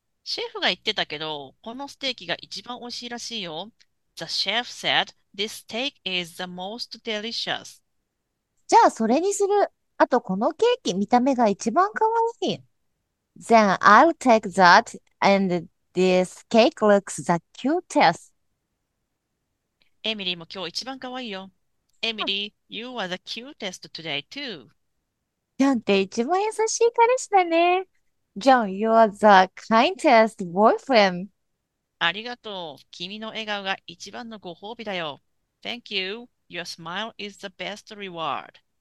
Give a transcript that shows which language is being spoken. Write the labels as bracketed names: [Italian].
[Japanese] シェフが言ってたけど、このステーキが一番美味しいらしいよ。 [English] The chef said, This steak is the most delicious. [Japanese] じゃあ、それにする。あと、このケーキ、見た目が一番かわいい。 [English] Then I'll take that, and this cake looks the cutest. [Japanese] エミリーも今日一番かわいいよ。 [English] エミリー、You are the cutest today, too. [Japanese] ジョンって一番優しい彼氏だね。 [English] ジョン、You are the kindest boyfriend. [Japanese] ありがとう。君の笑顔が一番のご褒美だよ。 [English] Thank you. Your smile is the best reward.